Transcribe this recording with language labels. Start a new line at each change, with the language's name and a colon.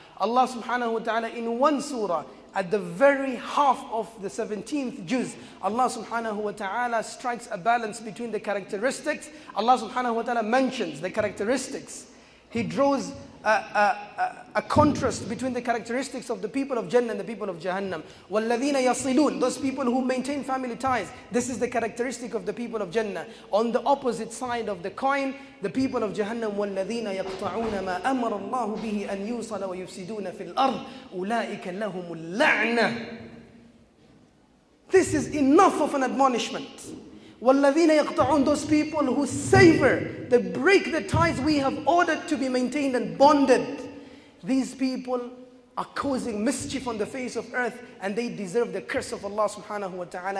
English: Allah subhanahu wa ta'ala in one surah, at the very half of the 17th juz, Allah subhanahu wa ta'ala strikes a balance between the characteristics. Allah subhanahu wa ta'ala mentions the characteristics. He draws a contrast between the characteristics of the people of Jannah and the people of Jahannam.
Arabic: وَالَّذِينَ يَصِلُونَ,
English: those people who maintain family ties, this is the characteristic of the people of Jannah. On the opposite side of the coin, the people of Jahannam,
Arabic: وَالَّذِينَ يَقْطَعُونَ مَا أَمَرَ اللَّهُ بِهِ أَنْ يُوصَلَ وَيُفْسِدُونَ فِي الْأَرْضِ أُولَٰئِكَ لَهُمُ اللَّعْنَةِ.
English: This is enough of an admonishment.
Arabic: وَالَّذِينَ يَقْطَعُونَ,
English: those people who savor, they break the ties we have ordered to be maintained and bonded. These people are causing mischief on the face of earth and they deserve the curse of Allah subhanahu wa ta'ala.